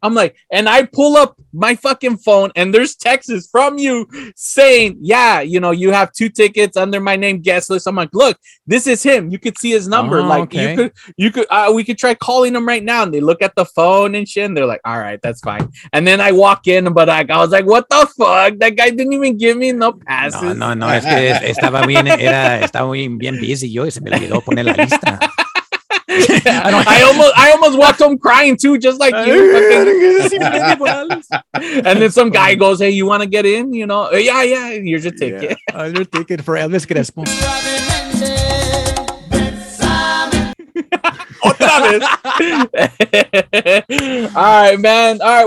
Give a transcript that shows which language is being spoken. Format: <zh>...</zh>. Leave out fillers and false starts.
<en>I'm like, and I pull up my fucking phone and there's texts from you saying, yeah, you know, you have two tickets under my name, guest list. I'm like, look, this is him. You could see his number. Oh, like, okay. We could try calling him right now. And they look at the phone and shit. And they're like, all right, that's fine. And then I walk in, but I was like, what the fuck? That guy didn't even give me no passes. No.</en> <es>Es que estaba bien, bien busy yo y se me olvidó poner la lista.</es> <en>I almost walked home crying too, just like you. And then some guy goes, hey, you want to get in? You know, yeah, here's your ticket. Yeah. Your ticket for Elvis Crespo.</en> <es>Otra vez.</es> <en>All right, man. All right.</en>